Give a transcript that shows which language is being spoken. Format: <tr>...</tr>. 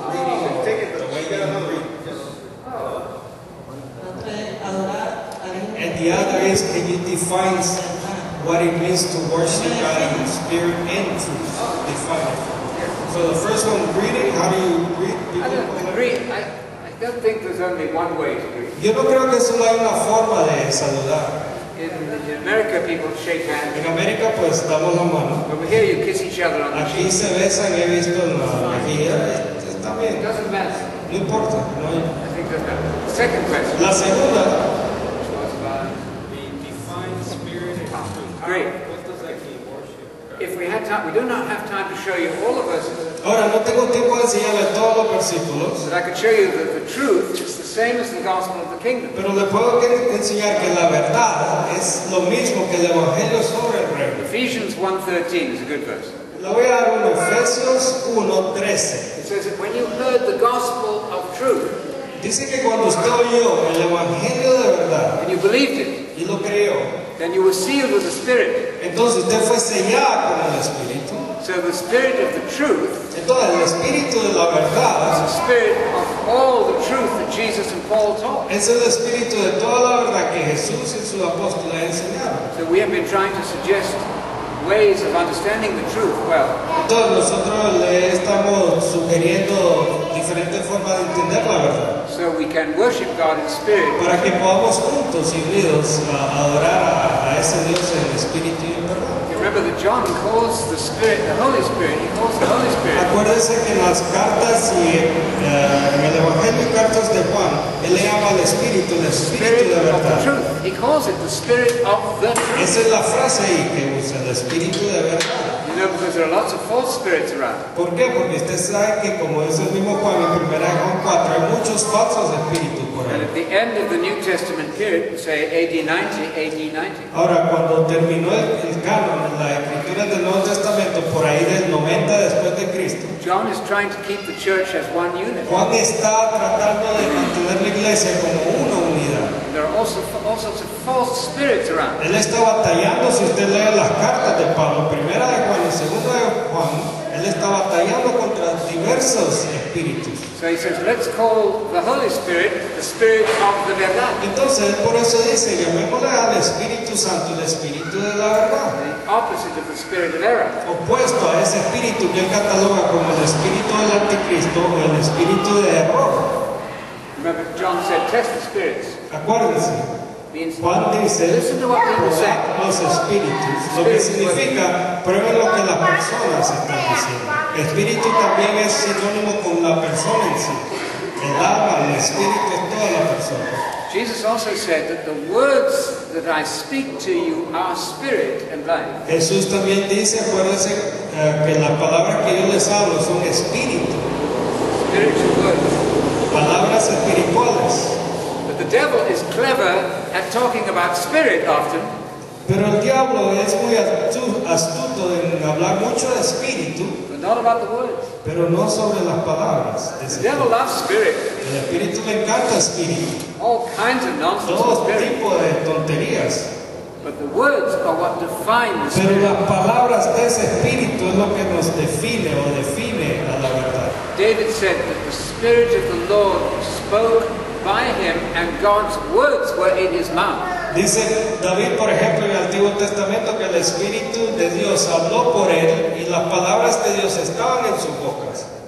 <en>Oh, take it the way you get another greeting. And the other is, can you define what it means to worship God in spirit and truth? Define it. So the first one, greeting, how do you greet people? I don't think there's only one way to greet.</en> <es>Yo no creo que solo hay una forma de saludar.</es> <en>In America, people shake hands.</en> <es>En América, pues, damos la mano.</es> <en>Over here, you kiss each other on</en> <es>aquí Aquí se besan, he visto en la mejilla. Está bien.</es> <en>It doesn't matter.</en> <es>No importa, no hay.</es> <en>I think that's better. Second question.</en> <es>La segunda.</es> <en>Which was about the defined spirit and truth. Great. What does that mean, worship? If we had time, we do not have time to show you all of us.</en> <es>Ahora, no tengo tiempo de enseñarle todos los versículos.</es> <en>But I could show you that the truth is the same as the gospel of the kingdom.</en> <es>Pero le puedo enseñar que la verdad es lo mismo que el evangelio sobre el reino.</es> <en>Ephesians 1:13 is a good verse.</en> <es>Le voy a dar uno, Efesios 1:13.</es> <en>It says that when you heard the gospel of truth,</en> <es>dice que cuando usted oyó el evangelio de verdad,</es> <en>and you believed it,</en> <es>y lo creyó,</es> <en>then you were sealed with the Spirit.</en> <es>Entonces usted fue sellado con el Espíritu.</es> <en>So the Spirit of the truth,</en> <es>entonces, el Espíritu de la verdad,</es> <en>is the Spirit of all the truth that Jesus and Paul taught.</en> <es>Es el Espíritu de toda la verdad que Jesús y su apóstol han enseñado.</es> <en>So we have been trying to suggest ways of understanding the truth well.</en> <es>Entonces, nosotros le estamos sugiriendo diferentes formas de entender la verdad.</es> <en>So we can worship God in spirit.</en> <es>Para que podamos juntos y unidos adorar a ese Dios en espíritu y en verdad.</es> <en>You remember that John calls the Spirit the Holy Spirit. He calls the Holy Spirit.</en> <es>Acuérdese que en las cartas y en el Evangelio y cartas de Juan, él le llama al Espíritu el Espíritu de verdad.</es> <en>The truth. He calls it the Spirit of the truth.</en> <es>Esa es la frase ahí que usa, el Espíritu de verdad.</es> <en>You know, because there are lots of false spirits around.</en> <es>¿Por qué? Porque usted sabe que como es el mismo Juan en 1 Juan 4, hay muchos falsos espíritus por ahí.</es> <en>And at the end of the New Testament period, say AD 90.</en> <es>Ahora, cuando terminó el canon, la escritura del Nuevo Testamento, por ahí del 90 después de Cristo,</es> <en>John is trying to keep the church as one unit.</en> <es>Juan está tratando de mantener la iglesia como una unidad.</es> <en>There are all sorts of false spirits around.</en> <es>Él está batallando, si usted lee las cartas de Pablo, primera de Juan y segunda de Juan, él está batallando contra diversos espíritus.</es> <en>So he says, let's call the Holy Spirit the Spirit of the verdad.</en> <es>Entonces, por eso dice, llamémosle al Espíritu Santo el Espíritu de la verdad.</es> <en>Opposite of the spirit of error.</en> <es>Opuesto a ese espíritu que él cataloga como el espíritu del anticristo o el espíritu de error.</es> <en>Remember, John said, test the spirits.</en> <es>Acuérdense. Juan dice, prueba los espíritus. Lo que significa, prueba lo que las personas están diciendo. Espíritu también es sinónimo con la persona en sí. El alma, el espíritu es toda la persona.</es> <en>Jesus also said that the words that I speak to you are spirit and life.</en> <es>Jesús también dice, acuérdense, que las palabras que yo les hablo son espíritu.</es> <en>Spiritual words.</en> <es>Palabras espirituales.</es> <en>But the devil is clever at talking about spirit often.</en> <es>Pero el diablo es muy astuto en hablar mucho de espíritu.</es> <en>But not about the words.</en> <es>Pero no sobre las palabras.</es> <en>The devil loves spirit.</en> <es>El espíritu le encanta espíritu.</es> <en>All kinds of nonsense.</en> <es>Todo tipo de tonterías.</es> <en>But the words are what define the spirit.</en> <es>Pero las palabras de ese espíritu es lo que nos define o define a la verdad.</es> <en>David said that the spirit of the Lord spoke by him and God's words were in his mouth.</en> <es>Dice David, por ejemplo, en el Antiguo Testamento que el Espíritu de Dios habló por él y las palabras de Dios estaban en sus bocas.</es>